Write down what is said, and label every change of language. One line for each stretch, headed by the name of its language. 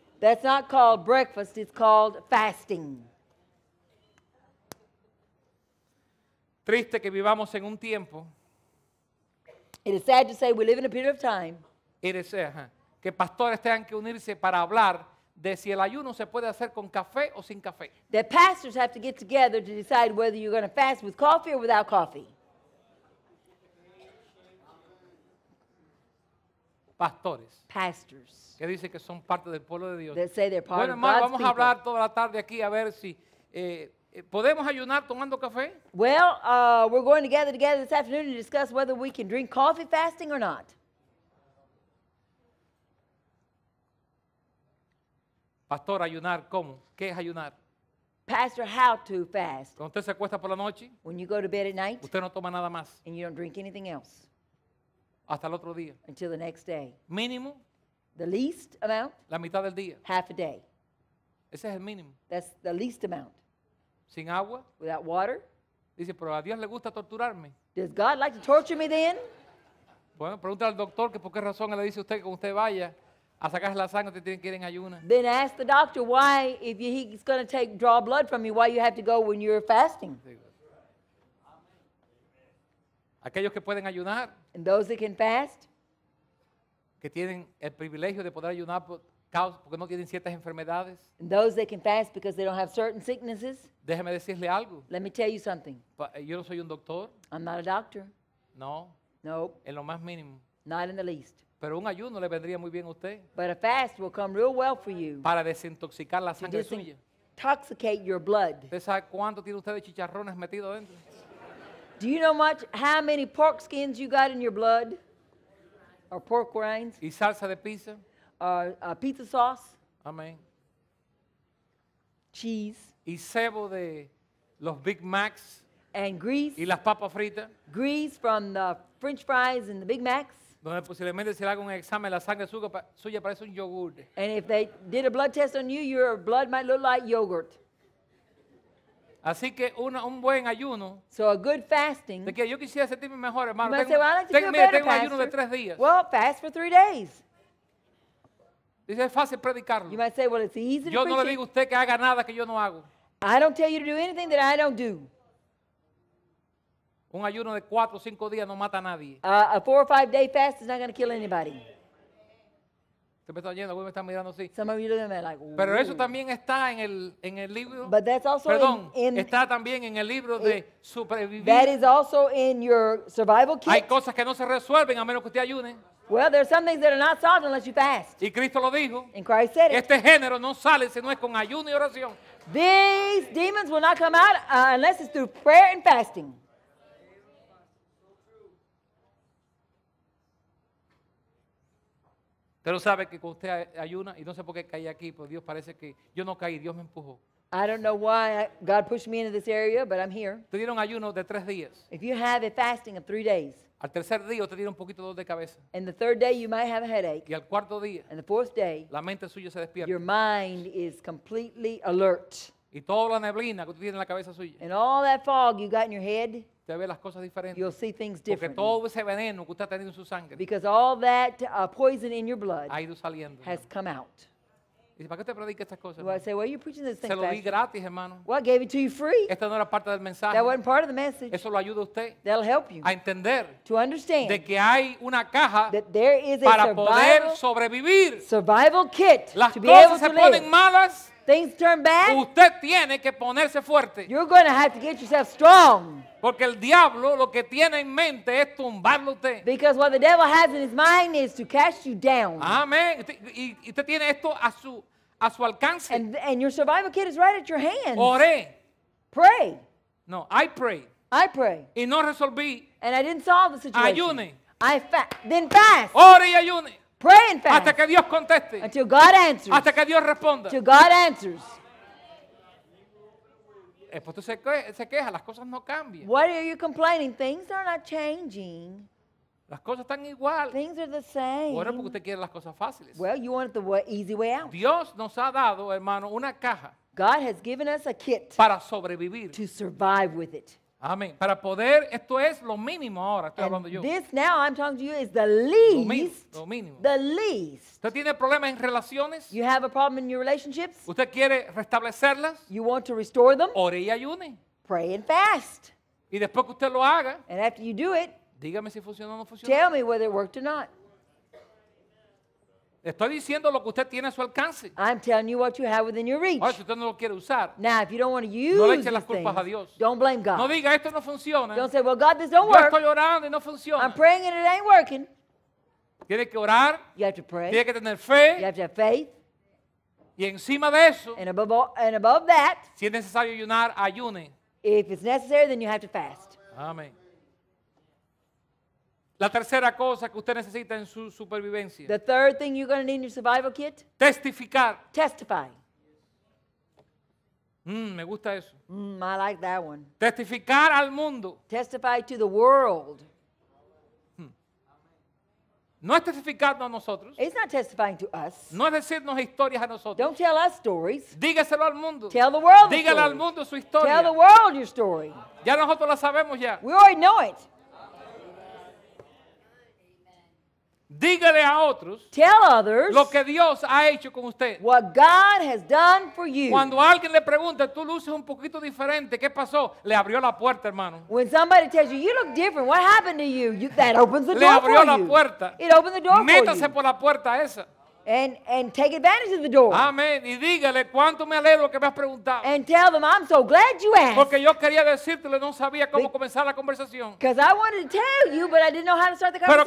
English: That's not called breakfast, it's called fasting.
Spanish: Triste que vivamos en un tiempo.
English: It is sad to say we live in a period of time. It is,
Spanish: que pastores tengan que unirse para hablar de si el ayuno se puede hacer con café o sin café.
English: The pastors have to get together to decide whether you're going to fast with coffee or without coffee.
Spanish: Pastores.
English: Pastors.
Spanish: Que dicen que son parte del pueblo de Dios.
English: That say they're part
Spanish: bueno,
English: of God's people.
Spanish: Bueno, vamos a hablar toda la tarde aquí a ver si podemos ayunar tomando café.
English: Well, we're going to gather together this afternoon to discuss whether we can drink coffee fasting or not.
Spanish: Pastor, ayunar, ¿cómo? ¿Qué es ayunar?
English: Pastor, how to fast?
Spanish: Cuando usted se acuesta por la noche.
English: When you go to bed at night.
Spanish: Usted no toma nada más.
English: And you don't drink anything else.
Spanish: Hasta el otro día.
English: Until the next day.
Spanish: Mínimo.
English: The least amount.
Spanish: La mitad del día.
English: Half a day.
Spanish: Ese es el mínimo.
English: That's the least amount.
Spanish: Sin agua.
English: Without water.
Spanish: Dice, pero a Dios le gusta torturarme.
English: Does God like to torture me then?
Spanish: Bueno, pregunta al doctor que por qué razón le dice usted que usted vaya a sacarse la sangre, te tienen que ir en ayuna.
English: Then ask the doctor why, if he's going to take draw blood from you, why you have to go when you're fasting.
Spanish: Aquellos que pueden ayunar.
English: And those that can fast.
Spanish: Que tienen el privilegio de poder ayunar porque no tienen ciertas enfermedades.
English: And those that can fast because they don't have certain sicknesses.
Spanish: Déjeme decirle algo.
English: Let me tell you something.
Spanish: Yo no soy un doctor.
English: I'm not a doctor.
Spanish: No.
English: Nope.
Spanish: En lo más mínimo.
English: Not in the least.
Spanish: Pero un ayuno le vendría muy bien a usted.
English: But a fast will come real well for you.
Spanish: Para desintoxicar la sangre suya.
English: Intoxicate your blood.
Spanish: ¿Usted sabe cuánto tiene usted de chicharrones metido dentro?
English: Do you know much how many pork skins you got in your blood? Or pork rinds?
Spanish: Y salsa de pizza?
English: Pizza sauce?
Spanish: Amén.
English: Cheese?
Spanish: Y sebo de los Big Macs?
English: And grease?
Spanish: Y las papas fritas?
English: Grease from the French fries and the Big Macs?
Spanish: Donde posiblemente si le hago un examen la sangre suya parece un yogurt.
English: And if they did a blood test on you, your blood might look like yogurt.
Spanish: Así que un buen ayuno.
English: So a good fasting.
Spanish: De que yo quisiera sentirme mejor, hermano.
English: You might say, well, I'd like to feel better,
Spanish: tengo
English: pastor.
Spanish: Un ayuno de 3 días.
English: Well, fast for 3 days.
Spanish: Dice, es fácil predicarlo.
English: You might say, well, it's easy to preach.
Spanish: Yo no le digo a usted que haga nada que yo no hago.
English: I don't tell you to do anything that I don't do.
Spanish: Un ayuno de 4 o 5 días no mata a nadie.
English: A 4 or 5 day fast is not going to kill anybody.
Spanish: Te me están yendo, me están mirando así.
English: Some of you look at me like,
Spanish: pero eso también está en el libro.
English: But that's also
Spanish: perdón,
English: in
Spanish: está también en el libro de supervivencia.
English: That is also in your survival kit.
Spanish: Hay cosas que no se resuelven a menos que usted ayune.
English: Well, there are some things that are not solved unless you fast.
Spanish: Y Cristo lo dijo.
English: And Christ said it.
Spanish: Este género no sale si no es con ayuno y oración.
English: These demons will not come out unless it's through prayer and fasting.
Spanish: Pero sabe que cuando usted ayuna, y no sé por qué caí aquí, pero Dios parece que yo no caí, Dios me empujó.
English: I don't know why God pushed me into this area, but I'm here.
Spanish: Te dieron ayuno de 3 días.
English: If you have a fasting of 3 days.
Spanish: Al tercer día usted tiene un poquito de dolor de cabeza.
English: And the third day you might have a headache.
Spanish: Y al cuarto día.
English: And the fourth day.
Spanish: La mente suya se despierta.
English: Your mind is completely alert.
Spanish: Y toda la neblina que usted tiene en la cabeza suya.
English: And all that fog you got in your head.
Spanish: Usted ve las cosas diferentes.
English: You'll see things differently.
Spanish: Porque todo ese veneno que usted ha tenido en su sangre.
English: Because all that poison in your blood
Spanish: ha ido saliendo.
English: Has come out.
Spanish: ¿Para qué te predica estas cosas?
English: Well, I say, why are you preaching this thing?
Spanish: Se lo di gratis, hermano.
English: Well, I gave it to you free.
Spanish: Esta no era parte del mensaje.
English: That wasn't part of the message.
Spanish: Eso lo ayuda a usted.
English: That'll help you.
Spanish: A entender.
English: To understand.
Spanish: De que hay una caja.
English: That there is a
Spanish: para poder sobrevivir.
English: Survival kit.
Spanish: Las cosas se ponen malas.
English: Things turn bad.
Spanish: Usted tiene que ponerse fuerte.
English: You're going to have to get yourself strong.
Spanish: Porque el diablo lo que tiene en mente es tumbarlo usted.
English: Because what the devil has in his mind is to cast you down.
Spanish: Amén. Y usted tiene esto a su alcance.
English: And your survival kit is right at your hand.
Spanish: Oré.
English: Pray. No, I pray. I pray.
Spanish: Y no resolví.
English: And I didn't solve the situation.
Spanish: Ayune.
English: Then fast.
Spanish: Ore y ayune.
English: Pray and fast.
Spanish: Hasta que Dios conteste.
English: Until God answers.
Spanish: Hasta que Dios responda.
English: Until God answers.
Spanish: Las cosas no cambian.
English: What are you complaining? Things are not changing.
Spanish: Las cosas están igual.
English: Things are the same.
Spanish: Bueno, porque usted quiere las cosas fáciles.
English: Well, you want the easy way out.
Spanish: Dios nos ha dado, hermano, una caja.
English: God has given us a kit.
Spanish: Para sobrevivir.
English: To survive with it.
Spanish: Amén. Para poder, esto es lo mínimo ahora, estoy
English: and
Spanish: hablando yo.
English: This now I'm talking to you is the least.
Spanish: Lo mínimo.
English: The least.
Spanish: ¿Usted tiene problemas en relaciones?
English: You have a problem in your relationships?
Spanish: ¿Usted quiere restablecerlas?
English: You want to restore them?
Spanish: Ore y ayune.
English: Pray and fast.
Spanish: Y después que usted lo haga.
English: And after you do it.
Spanish: Dígame si funcionó o no funcionó.
English: Tell me whether it worked or not.
Spanish: Estoy diciendo lo que usted tiene a su alcance.
English: I'm telling you what you have within your reach.
Spanish: Ahora, si usted no lo quiere usar,
English: now, if you don't want to use
Spanish: no le eche las culpas
English: things,
Spanish: a Dios.
English: Don't blame God.
Spanish: No diga, esto no funciona.
English: Don't say, well, God, this don't
Spanish: yo
English: work.
Spanish: Estoy orando y no funciona.
English: I'm praying and it ain't working.
Spanish: Tiene que orar.
English: You have to pray.
Spanish: Tiene que tener fe.
English: You have to have faith.
Spanish: Y encima de eso,
English: and above that,
Spanish: si es necesario ayunar, ayune.
English: If it's necessary, then you have to fast.
Spanish: Amén. La tercera cosa que usted necesita en su supervivencia.
English: The third thing you're going to need in your survival kit.
Spanish: Testificar.
English: Testify.
Spanish: Me gusta eso.
English: I like that one.
Spanish: Testificar al mundo.
English: Testify to the world.
Spanish: No es testificando a nosotros.
English: It's not testifying to us.
Spanish: No es decirnos historias a nosotros.
English: Don't tell us stories.
Spanish: Dígaselo al mundo.
English: Tell the world.
Spanish: Dígale al mundo su historia.
English: Tell the world your story.
Spanish: Ya nosotros la sabemos ya.
English: We already know it.
Spanish: Dígale a otros.
English: Tell others
Spanish: lo que Dios ha hecho con usted.
English: What God has done for you.
Spanish: Cuando alguien le pregunta, tú luces un poquito diferente. ¿Qué pasó? Le abrió la puerta, hermano.
English: When somebody tells you, you look different. What happened to you? That opens the
Spanish: le
English: door for you.
Spanish: Le abrió la puerta.
English: It opened the door
Spanish: métase
English: for you.
Spanish: Métase por la puerta esa.
English: And take advantage of the door.
Spanish: Amén. Y dígale cuánto me alegro que me has preguntado.
English: And tell them, I'm so glad you asked.
Spanish: Porque yo quería decírtelo, no sabía cómo comenzar la conversación.
English: Because I wanted to tell you, but I didn't know how to start the conversation.